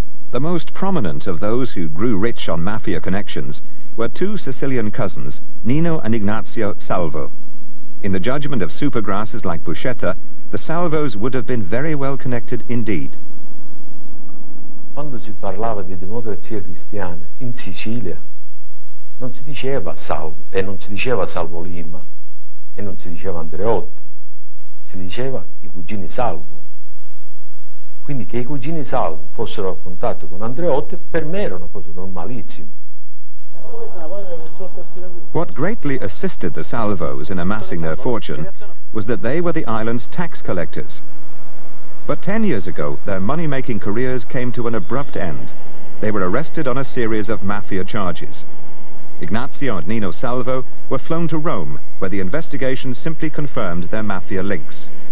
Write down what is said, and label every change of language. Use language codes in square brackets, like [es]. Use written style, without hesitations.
[en] The most prominent of those who grew rich on mafia connections were two Sicilian cousins, Nino and Ignazio Salvo. In the judgment of supergrasses like Buscetta, the Salvos would have been very well connected indeed. [it] Quando ci parlava di democrazia cristiana in Sicilia, non ci diceva Salvo, e non ci diceva Salvo Lima, e non ci diceva Andreotti, si diceva i cugini Salvo. Quindi che i cugini Salvo fossero a contatto con Andreotti per me era una cosa normalissima. [en] What greatly assisted the Salvos in amassing their fortune was that they were the island's tax collectors. But 10 years ago, their money-making careers came to an abrupt end. They were arrested on a series of mafia charges. Ignazio and Nino Salvo were flown to Rome, where the investigation simply confirmed their mafia links.